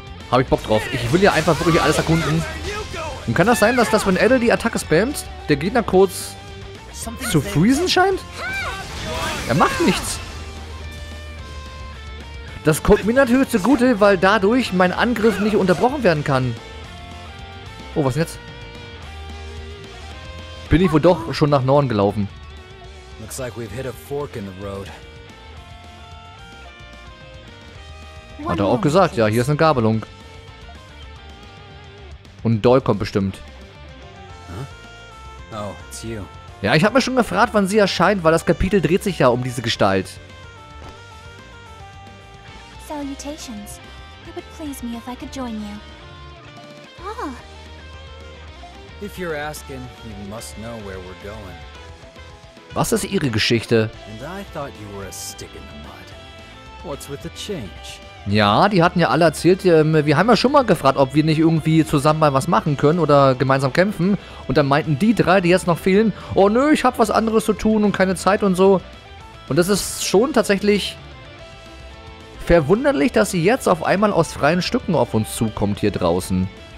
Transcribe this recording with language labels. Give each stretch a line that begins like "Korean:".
German: Habe ich Bock drauf. Ich will ja einfach wirklich alles erkunden. Und kann das sein, dass das, wenn Adel die Attacke spammt, der Gegner kurz zu freezen scheint? Er macht nichts. Das kommt mir natürlich zugute, weil dadurch mein Angriff nicht unterbrochen werden kann. Oh, was jetzt? Bin ich wohl doch schon nach Norden gelaufen.
English: Looks like we've hit a fork in the road.
German: Hat er auch gesagt, ja, hier ist eine Gabelung. Und Doll kommt bestimmt. Huh?
English: Oh, it's you.
German: Ja, ich habe mir schon gefragt, wann sie erscheint, weil das Kapitel dreht sich ja um diese Gestalt.
English: Salutations. It would please me if I could join you. Ah. If you're asking, you must know where we're going.
German: Was ist ihre Geschichte?
English: And I thought you were a stick in the mud. What's with the change?
German: Ja, die hatten ja alle erzählt, wir haben ja schon mal gefragt, ob wir nicht irgendwie zusammen mal was machen können oder gemeinsam kämpfen. Und dann meinten die drei, die jetzt noch fehlen, oh nö, ich habe was anderes zu tun und keine Zeit und so. Und das ist schon tatsächlich verwunderlich, dass sie jetzt auf einmal aus freien Stücken auf uns zukommt hier draußen.